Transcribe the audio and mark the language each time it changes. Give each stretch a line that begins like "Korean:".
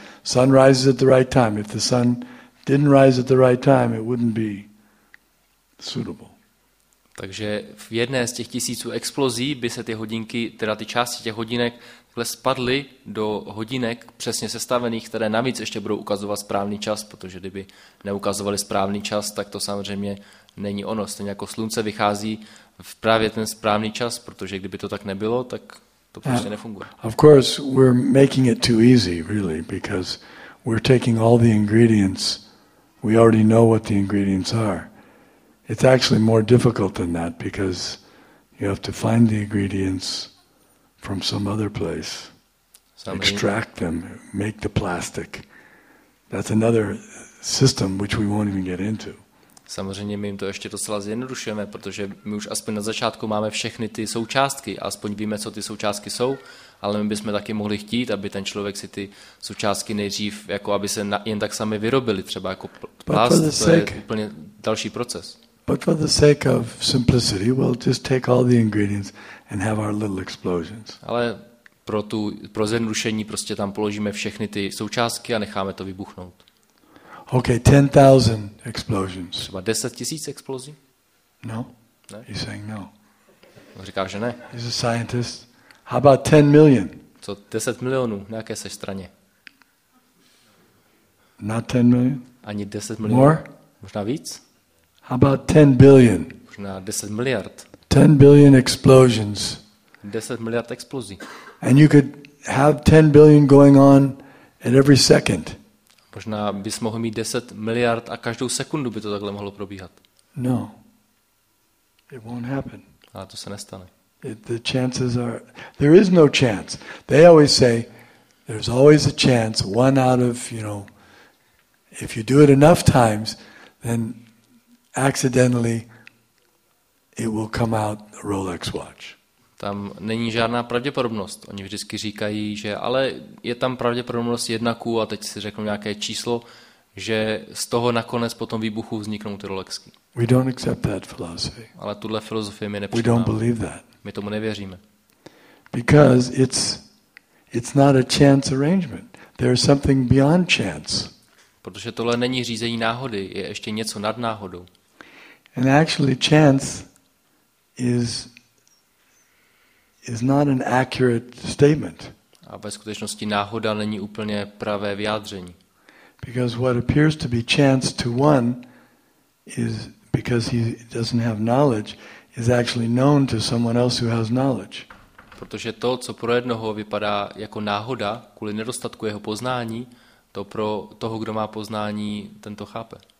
English: Sun rises at the right time. If the sun didn't rise at the right time, it wouldn't be suitable.
Czech: Takže v jedné z těch tisíců explozí by se ty hodinky, teda ty části těch hodinek, takhle spadly do hodinek přesně sestavených, které navíc ještě budou ukazovat správný čas, protože kdyby neukazovali správný čas, tak to samozřejmě není ono. Stejně jako slunce vychází v právě ten správný čas, protože kdyby to tak nebylo, tak to prostě nefunguje.
English: Of course, we're making it too easy, really, because we're taking all the ingredients. We already know what the ingredients are. It's actually more difficult than that because you have to find the ingredients from some other place. Extract them, make the plastic. That's another system which we won't even get into.
Czech: Samozřejmě my jim to ještě docela zjednodušujeme, protože my už aspoň na začátku máme všechny ty součástky, aspoň víme, co ty součástky jsou, ale my bychom taky mohli chtít, aby ten člověk si ty součástky nejdřív, jako aby se jen tak sami vyrobili, třeba jako plast, to je úplně další proces.
English: But for the sake of simplicity, we'll just take all the ingredients and have our little explosions.
Czech: Ale pro zjednodušení prostě tam položíme všechny ty součástky a necháme to vybuchnout.
English: Okay, 10,000 explosions.
Czech: Třeba 10,000 explozí?
English: No.
Czech: Ne?
English: He's saying no.
Czech: On říká, že ne.
English: He's a scientist. How about 10 million?
Czech: Co 10 milionů? Na jaké se straně?
English: Not 10 million?
Czech: Ani 10 milionů.
English: More?
Czech: Možná víc?
English: How about 10 billion?
Czech: Možná 10 miliard.
English: 10 billion explosions.
Czech: 10 miliard explozí.
English: And you could have 10 billion going on at every second.
Czech: Možná bys mohl mít 10 miliard a každou sekundu by to takhle mohlo probíhat.
English: No. It won't happen.
Czech: Ale to se nestane.
English: The chances are, there is no chance. They always say, there's always a chance, one out of, you know, if you do it enough times, then accidentally it will come out a Rolex watch.
Czech: Tam není žádná pravděpodobnost. Oni vždycky říkají, že ale je tam pravděpodobnost jednaku a teď si řeknu nějaké číslo, že z toho nakonec po tom výbuchu vzniknou ty Rolexky.
English: We don't accept that philosophy.
Czech: Ale tuhle filozofii my nepřijímáme.
English: We don't believe that.
Czech: My tomu nevěříme.
English: Because it's not a chance arrangement. There is something beyond chance.
Czech: Protože tohle není řízení náhody, je ještě něco nad náhodou.
English: And actually chance is not an accurate statement.
Czech: A ve skutečnosti náhoda není úplně pravé vyjádření.
English: Because what appears to be chance to one is because he doesn't have knowledge is actually known to someone else who has knowledge.
Czech: Protože to, co pro jednoho vypadá jako náhoda, kvůli nedostatku jeho poznání, to pro toho, kdo má poznání, ten to chápe.